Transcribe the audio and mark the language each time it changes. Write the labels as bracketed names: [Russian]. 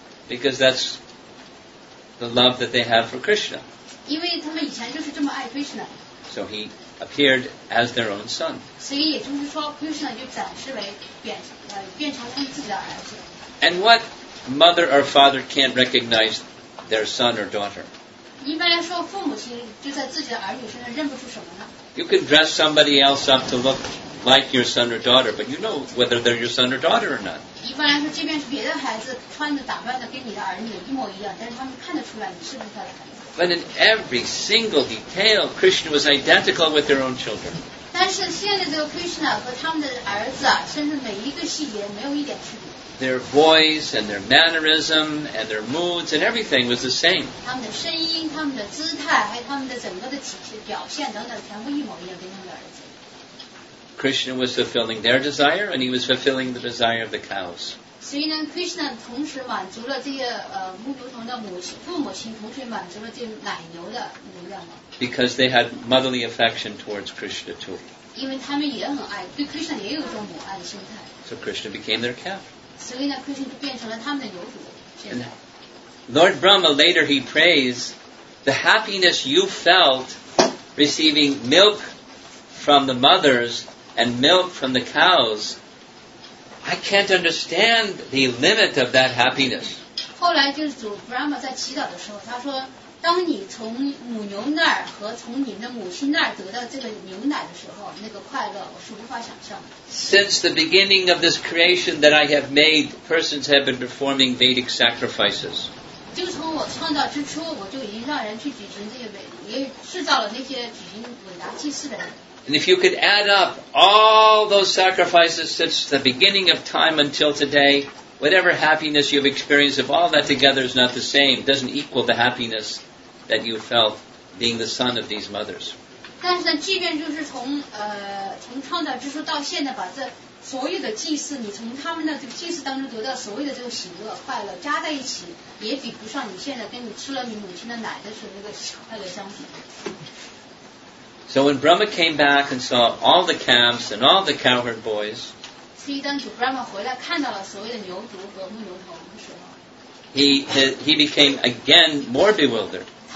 [English] Because that's the love that they have for Krishna. So he appeared as their own son. And what mother or father can't recognize their son or daughter? [Chinese] 一般来说父母亲就在自己的儿女身上认不出什么呢 [English] You can dress somebody else up to look like your son or daughter, but you know whether they're your son or daughter or not. [Chinese] 一般来说即便是别的孩子穿的打扮的跟你的儿女一模一样但是他们看得出来你是不是他的孩子 [English] But in every single detail, Krishna was identical with their own children. [Chinese] 但是现在这个 Krishna 和他们的儿子啊，甚至每一个细节没有一点区别。 [English] Their voice and their mannerism and their moods and everything was the same. [Chinese] 他们的声音、他们的姿态还有他们的整个的体表现等等，全部一模一样，跟他们的儿子。 [English] Krishna was fulfilling their desire, and he was fulfilling the desire of the cows. [Chinese] 所以呢 ，Krishna 同时满足了这些牧牛童的母亲、父母亲，同时满足了这奶牛的牛愿望。 [English] Because they had motherly affection towards Krishna too. [Chinese] 因为他们也很爱，对 Krishna 也有一种母爱的心态。 [English] So Krishna became their cow. [Chinese] 所以呢 ，Krishna 就变成了他们的牛主。 [English] Lord Brahma later he prays the happiness you felt receiving milk from the mothers. And milk from the cows, I can't understand the limit of that happiness. [Chinese] 后来就是主 Brahma 在祈祷的时候，他说：“当你从母牛那儿和从你的母亲那儿得到这个牛奶的时候，那个快乐我是无法想象的。” [English] Since the beginning of this creation that I have made, persons have been performing Vedic sacrifices. [Chinese] 就从我创造之初，我就已经让人去举行这些伟，也制造了那些举行伟大祭祀的人。 [English] And if you could add up all those sacrifices since the beginning of time until today, whatever happiness you've experienced, if all that together is not the same, doesn't equal the happiness that you felt being the son of these mothers. [Chinese] 但是呢，即便就是从创造之初到现在，把这所有的祭祀，你从他们的这个祭祀当中得到所有的这个喜乐、快乐加在一起，也比不上你现在跟你吃了你母亲的奶的时候那个快乐相比。 [English] So when Brahma came back and saw all the calves and all the cowherd boys, he became again more bewildered.